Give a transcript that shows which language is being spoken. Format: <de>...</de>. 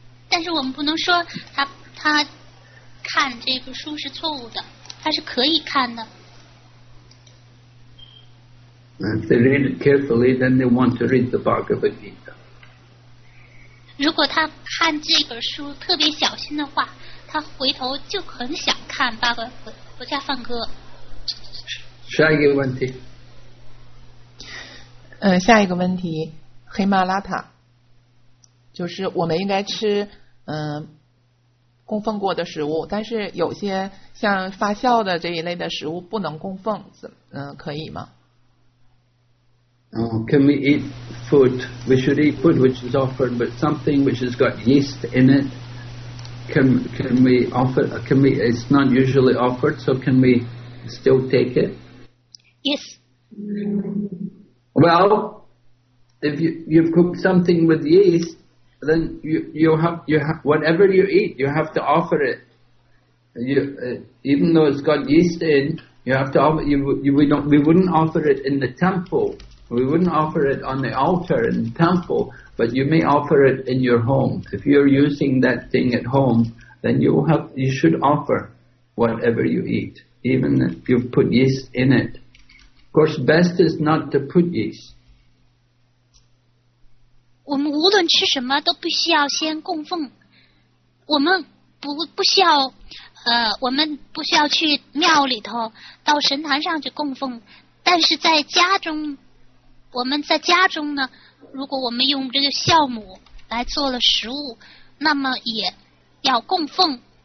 <zh>但是我们不能说他看这个书是错误的，他是可以看的。</zh> <en>If they read it carefully, then they want to read the Bhagavad Gita.</en> <zh>如果他看这本书特别小心的话，他回头就很想看《佛家梵歌》。下一个问题。下一个问题，黑马拉塔，就是我们应该吃供奉过的食物，但是有些像发酵的这一类的食物不能供奉，可以吗？</zh> <en>Oh, can we eat food? We should eat food which is offered, but something which has got yeast in it, can we offer? Can we? It's not usually offered, so can we still take it? Yes. Well, if you've cooked something with yeast. Then you have, whatever you eat, you have to offer it. Even though it's got yeast in, you have to offer. We wouldn't offer it in the temple. We wouldn't offer it on the altar in the temple. But you may offer it in your home. If you're using that thing at home, then you should offer whatever you eat, even if you put yeast in it. Of course, best is not to put yeast.</en> <zh>我们无论吃什么都不需要先供奉，我们不需要，我们不需要去庙里头到神坛上去供奉，但是在家中，我们在家中呢，如果我们用这个酵母来做了食物，那么也要供奉。</zh>